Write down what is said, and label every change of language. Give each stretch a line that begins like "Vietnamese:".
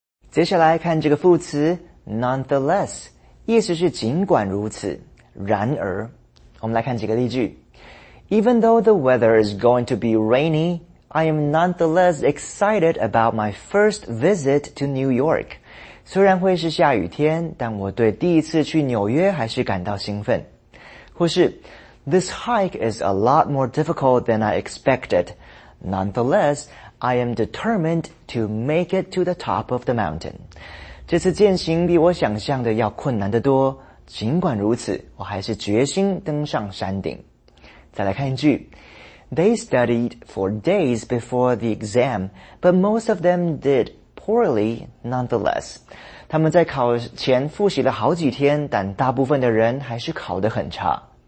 Chinese: 接下来看这个副词
English: nonetheless,
Chinese: 意思是尽管如此然而我们来看几个例句
English: Even though the weather is going to be rainy, I am nonetheless excited about my first visit to New York.
Chinese: 虽然会是下雨天但我对第一次去纽约还是感到兴奋或是
English: This hike is a lot more difficult than I expected. Nonetheless,I am determined to make it to the top of the mountain.
Chinese: 这次健行比我想象的要困难得多。尽管如此，我还是决心登上山顶。再来看一句。
English: They studied for days before the exam, but most of them did poorly nonetheless.
Chinese: 他们在考前复习了好几天，但大部分的人还是考得很差。